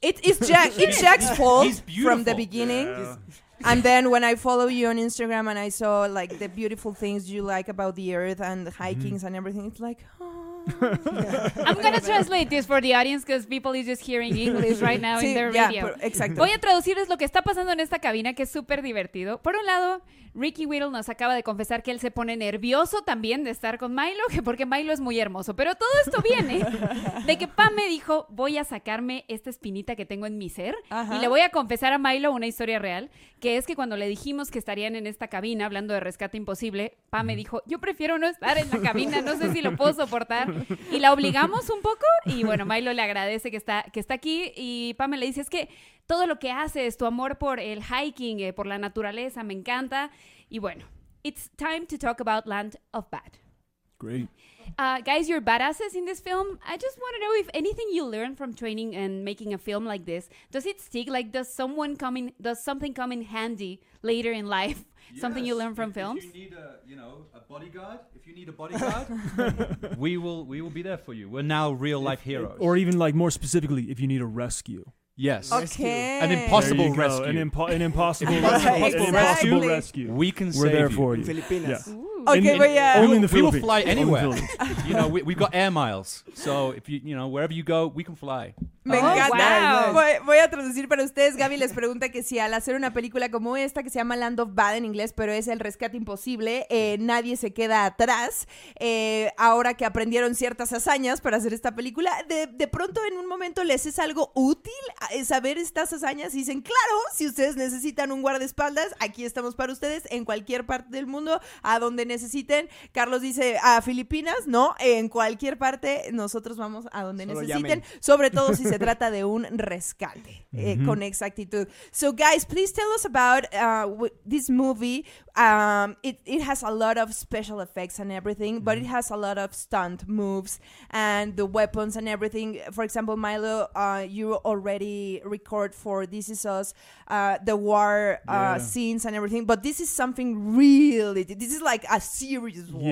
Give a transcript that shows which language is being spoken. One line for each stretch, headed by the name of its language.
English: It's Jack's fault from the beginning. Yeah. And then when I follow you on Instagram and I saw like the beautiful things you like about the earth and the hikings and everything, it's like, oh. Yeah. I'm going to translate this for the audience because people are just hearing English right now
Spanish: sí,
English: in their yeah, radio.
Spanish: Exacto. Voy a traducirles lo que está pasando en esta cabina, que es súper divertido. Por un lado, Ricky Whittle nos acaba de confesar que él se pone nervioso también de estar con Milo, porque Milo es muy hermoso. Pero todo esto viene de que Pam me dijo, voy a sacarme esta espinita que tengo en mi ser. Ajá. Y le voy a confesar a Milo una historia real, que es que cuando le dijimos que estarían en esta cabina hablando de Rescate Imposible, Pam me dijo, yo prefiero no estar en la cabina, no sé si lo puedo soportar. Y la obligamos un poco, y bueno, Milo le agradece que está aquí, y Pam le dice, es que todo lo que haces, tu amor por el hiking, por la naturaleza, me encanta. Y bueno,
English: it's time to talk about Land of Bad. Great. Guys, you're badasses in this film. I just want to know if anything you learned from training and making a film like this, does it stick? Like, does something come in handy later in life? Yes. Something you learn from films? If you need a bodyguard, we will be there for you. We're now real-life heroes. Or even, like, more specifically, if you need a rescue. Yes. Okay. An impossible rescue. An impossible rescue. We can We're save there you. For you. Filipinas. Yeah. We will fly anywhere. Only you know, we've got air miles. So if you know, wherever you go, we can fly.
Spanish: Me encanta. Voy a traducir para ustedes. Gaby les pregunta que si al hacer una película como esta, que se llama Land of Bad en inglés, pero es El Rescate Imposible, nadie se queda atrás. Ahora que aprendieron ciertas hazañas para hacer esta película, de pronto en un momento les es algo útil saber estas hazañas. Y dicen, claro, si ustedes necesitan un guardaespaldas, aquí estamos para ustedes en cualquier parte del mundo, a donde necesiten. Carlos dice, a Filipinas, ¿no? En cualquier parte, nosotros vamos a donde Solo necesiten. Llamen. Sobre todo si se trata de un rescate, mm-hmm. Con exactitud.
English: So, guys, please tell us about this movie. It has a lot of special effects and everything, mm-hmm. but it has a lot of stunt moves and the weapons and everything. For example, Milo, you already record for This Is Us, the war scenes and everything, but this is something really, this is like a serious war.